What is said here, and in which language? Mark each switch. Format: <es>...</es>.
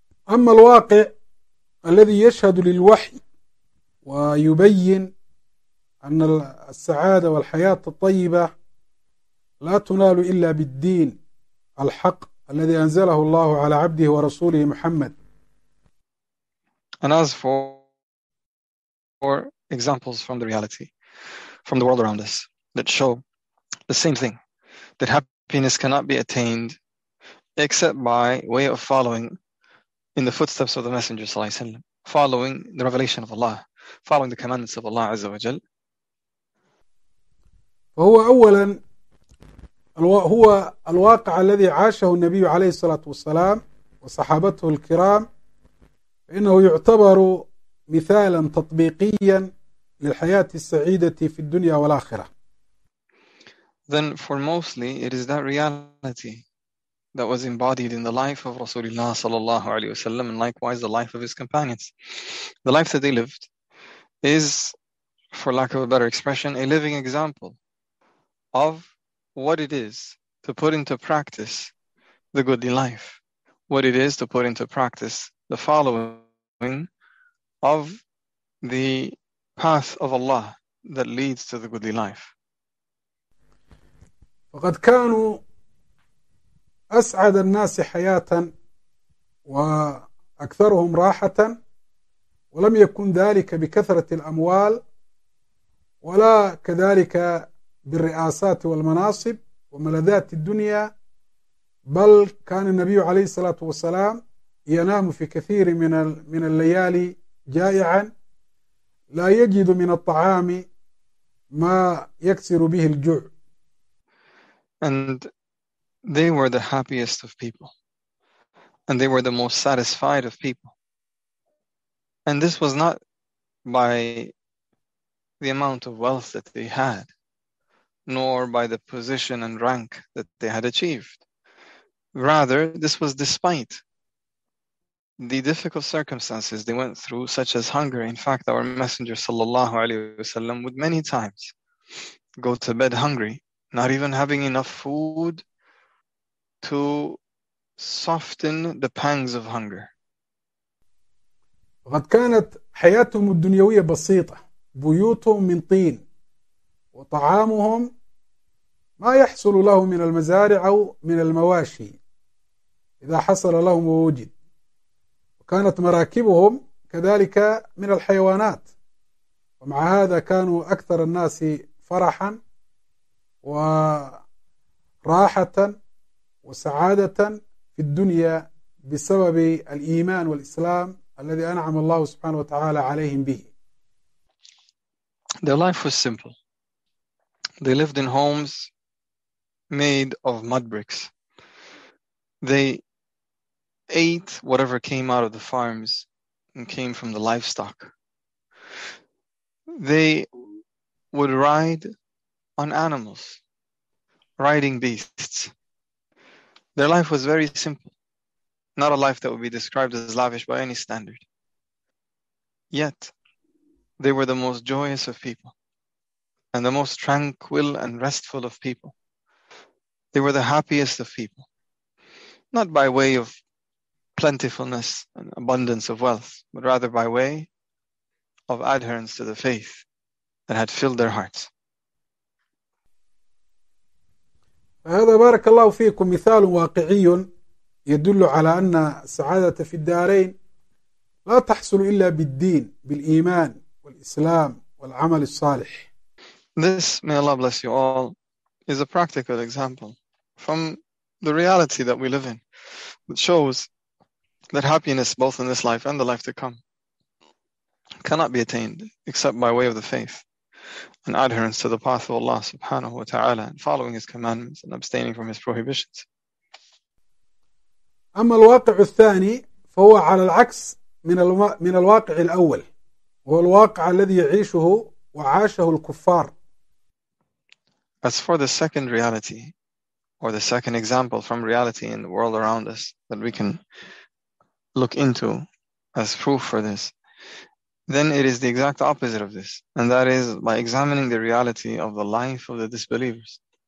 <ar>أما الواقع الذي يشهد للوحي ويبين أن السعادة والحياة الطيبة لا تنال إلا بالدين الحق الذي أنزله الله على عبده ورسوله محمد.</ar> <en>And as for examples from the reality, from the world around us, that show the same thing, that happiness cannot be attained except by way of following in the footsteps of the Messenger</en> <ar>صلى الله عليه وسلم,</ar> <en>following the revelation of Allah, following the commandments of Allah</en> <ar>عز وجل. فهو أولا هو الواقع الذي عاشه النبي عليه الصلاة والسلام وصحابته الكرام، فإنه يعتبر مثالا تطبيقيا للحياة السعيدة في الدنيا والآخرة.</ar> <en>Then foremostly it is that reality that was embodied in the life of Rasulullah</en> <ar>صلى الله عليه وسلم,</ar> <en>and likewise the life of his companions. The life that they lived is, for lack of a better expression, a living example of what it is to put into practice the goodly life, what it is to put into practice the following of the path of Allah that leads to the goodly life.</en> <ar>وقد كانوا أسعد الناس حياة وأكثرهم راحة، ولم يكن ذلك بكثرة الأموال ولا كذلك بالرئاسات والمناصب وملذات الدنيا، بل كان النبي عليه الصلاة والسلام ينام في كثير من الليالي جائعا، لا يجد من الطعام ما يكسر به الجوع.</ar> <en>And they were the happiest of people. And they were the most satisfied of people. And this was not by the amount of wealth that they had, nor by the position and rank that they had achieved. Rather, this was despite the difficult circumstances they went through, such as hunger. In fact, our Messenger</en> <ar>sallallahu alaihi wasallam</ar> <en>would many times go to bed hungry, not even having enough food to soften the pangs of hunger.</en> <ar>قد كانت حياتهم الدنيوية بسيطة، بيوتهم من طين، وطعامهم ما يحصل له من المزارع أو من المواشي إذا حصل لهم ووجد، وكانت مراكبهم كذلك من الحيوانات، ومع هذا كانوا أكثر الناس فرحا وراحة وسعادة في الدنيا بسبب الإيمان والإسلام الذي أنعم الله سبحانه وتعالى عليهم به.</ar> <en>Their life was simple. They lived in homes made of mud bricks. They ate whatever came out of the farms and came from the livestock. They would ride on animals, riding beasts. Their life was very simple. Not a life that would be described as lavish by any standard. Yet, they were the most joyous of people and the most tranquil and restful of people. They were the happiest of people, not by way of plentifulness and abundance of wealth, but rather by way of adherence to the faith that had filled their hearts.</en> <ar>هذا بارك الله فيكم مثال واقعي يدل على أن السعادة في الدارين لا تحصل إلا بالدين، بالإيمان والإسلام والعمل الصالح.</ar> <en>This, may Allah bless you all, is a practical example from the reality that we live in that shows that happiness both in this life and the life to come cannot be attained except by way of the faith. An adherence to the path of Allah</en> <ar>subhanahu wa ta'ala</ar> <en>and following his commandments and abstaining from his prohibitions.</en> <ar>أما الواقع الثاني فهو على العكس من الواقع الأول، هو الواقع الذي يعيشه وعاشه الكفار.</ar> <en>As for the second reality or the second example from reality in the world around us that we can look into as proof for this, then it is the exact opposite of this, and that is by examining the reality of the life of the disbelievers.</en>